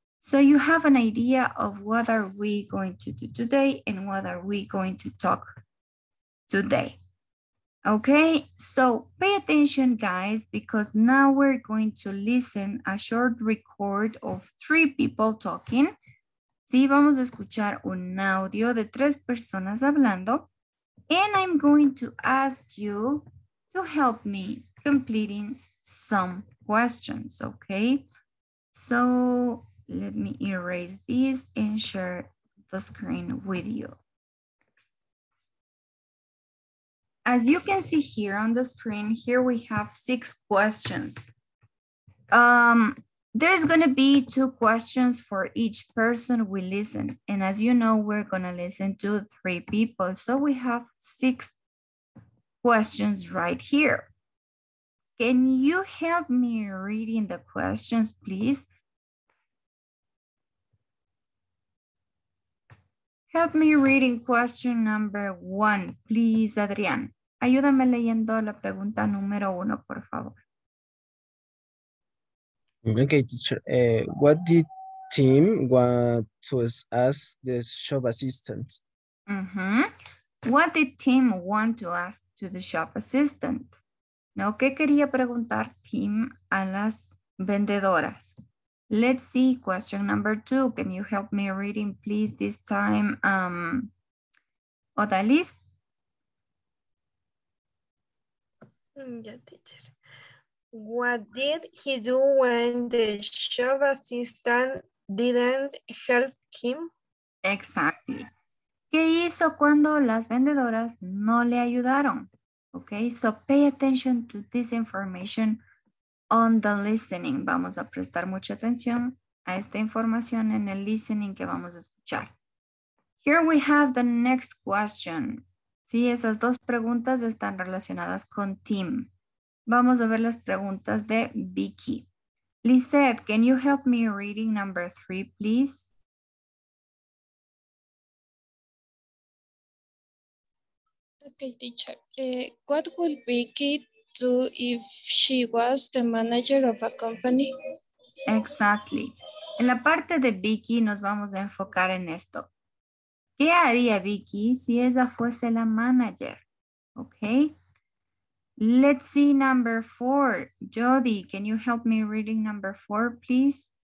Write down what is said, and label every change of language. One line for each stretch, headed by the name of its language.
English: So you have an idea of what are we going to do today and what are we going to talk today. Okay, so pay attention, guys, because now we're going to listen a short record of three people talking.
Spanish: Sí, vamos a escuchar un audio de tres personas hablando.
English: And I'm going to ask you to help me completing some questions, okay? So let me erase this and share the screen with you. As you can see here on the screen, here we have six questions. There's gonna be two questions for each person we listen. And as you know, we're gonna listen to three people. So we have six questions right here. Can you help me reading the questions, please? Help me reading question number one, please, Adrián. Ayúdame leyendo la pregunta número uno, por favor. Okay, teacher. What did Tim want to ask the shop assistant? What did Tim want to ask to the shop assistant?
Spanish: No, ¿qué quería preguntar Tim a las vendedoras?
English: Let's see, question number two. Can you help me reading, please, this time? Odalis? Yeah, teacher. What did he do when the shop assistant didn't help him? Exactly.
Spanish: ¿Qué hizo cuando las vendedoras no le ayudaron?
English: Okay, so pay attention to this information on the listening.
Spanish: Vamos a prestar mucha atención a esta información en el listening que vamos a escuchar.
English: Here we have the next question.
Spanish: Sí, esas dos preguntas están relacionadas con Tim. Vamos a ver las preguntas de Vicky.
English: Lizette, can you help me reading number three, please? Okay, teacher. What would Vicky do if she was the manager of a company? Exactly.
Spanish: En la parte de Vicky nos vamos a enfocar en esto. ¿Qué haría Vicky si ella fuese la manager?
English: Okay. Let's see number four. Jody, can you help me reading number four, please?